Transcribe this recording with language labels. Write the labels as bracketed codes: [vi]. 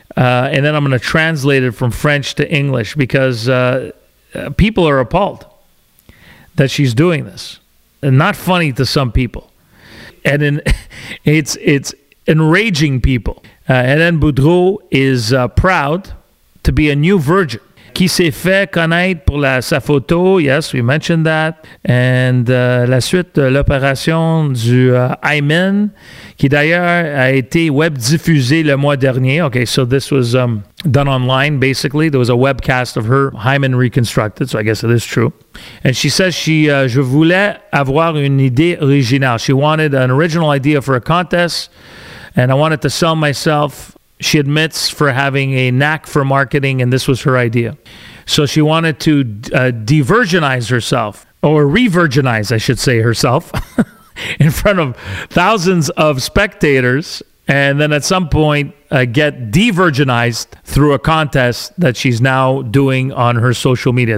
[en] And then I'm going to translate it from French to English because people are appalled that she's doing this. Not funny to some people. And it's enraging people. Hélène Boudreau is proud to be a new virgin. [fr] Qui s'est fait connaître pour sa photo. [en] Yes, we mentioned that. And [fr] la suite de l'opération du hymen, qui d'ailleurs a été web diffusée le mois dernier. [en] Okay, so this was done online, basically. There was a webcast of her hymen reconstructed, so I guess it is true. And she says, [fr] je voulais avoir une idée originale. [en] She wanted an original idea for a contest, and I wanted to sell myself. She admits for having a knack for marketing, and this was her idea. So she wanted to de-virginize herself, or re-virginize, I should say, herself, in front of thousands of spectators, and then at some point get de-virginized through a contest that she's now doing on her social media.